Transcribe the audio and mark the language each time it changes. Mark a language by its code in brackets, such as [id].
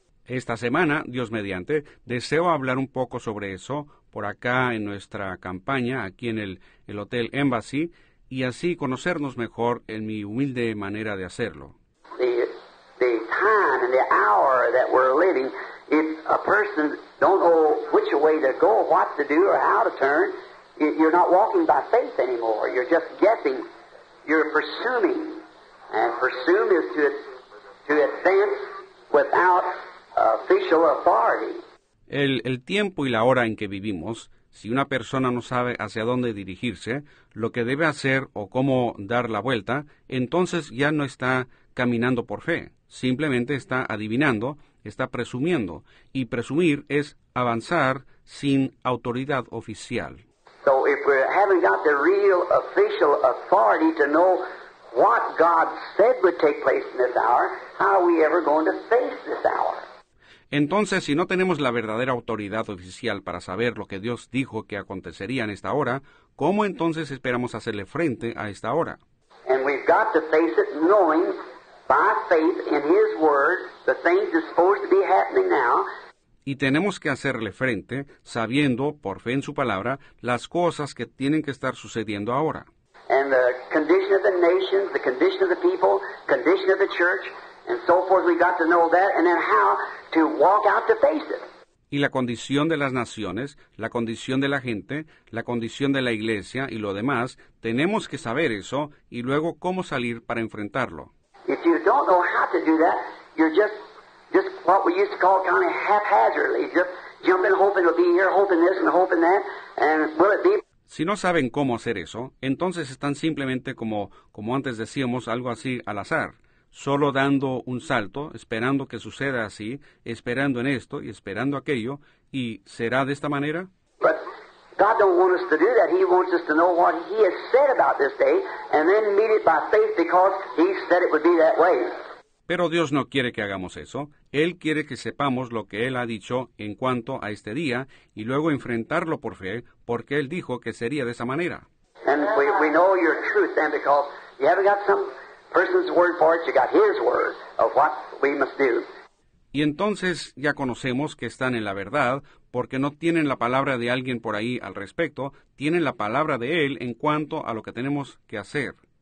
[es] Esta semana, Dios mediante, deseo hablar un poco sobre eso por acá en nuestra campaña, aquí en el Hotel Embassy, y así conocernos mejor en mi humilde manera de hacerlo. [en] The time and the hour that we're living, if a person don't know which way to go, what to do, or how to turn, you're not walking by faith anymore. You're just guessing. You're presuming. And presume is to advance without official authority. [es] El tiempo y la hora en que vivimos, si una persona no sabe hacia dónde dirigirse, lo que debe hacer o cómo dar la vuelta, entonces ya no está caminando por fe. Simplemente está adivinando, está presumiendo, y presumir es avanzar sin autoridad oficial. [en] So if we haven't got the real official authority to know what God said would take place in this hour, how are we ever going to face this hour? [es] Entonces, si no tenemos la verdadera autoridad oficial para saber lo que Dios dijo que acontecería en esta hora, ¿cómo entonces esperamos hacerle frente a esta hora? [en] And we've got to face it knowing by faith in his word, the things that's supposed to be happening now. [es] Y tenemos que hacerle frente, sabiendo, por fe en su palabra, las cosas que tienen que estar sucediendo ahora. [en] And the condition of the nations, the condition of the people, condition of the church, and so forth, we got to know that, and then how to walk out to face it. [es] Y la condición de las naciones, la condición de la gente, la condición de la iglesia y lo demás, tenemos que saber eso, y luego cómo salir para enfrentarlo. [en] If you don't know how to do that, you're just what we used to call kind of haphazardly, just jumping, hoping it'll be here, hoping this and hoping that, and will it be? [es] Si no saben cómo hacer eso, entonces están simplemente como antes decíamos, algo así al azar, solo dando un salto, esperando que suceda así, esperando en esto y esperando aquello, y ¿será de esta manera? [en] But God don't want us to do that. He wants us to know what he has said about this day and then meet it by faith because he said it would be that way. [es] Pero Dios no quiere que hagamos eso. Él quiere que sepamos lo que él ha dicho en cuanto a este día y luego enfrentarlo por fe porque él dijo que sería de esa manera. [en] And we know your truth then because you haven't got some person's word for it, you got his word of what we must do. [es] Y entonces ya conocemos que están en la verdad, porque no tienen la palabra de alguien por ahí al respecto, tienen la palabra de Él en cuanto a lo que tenemos que hacer.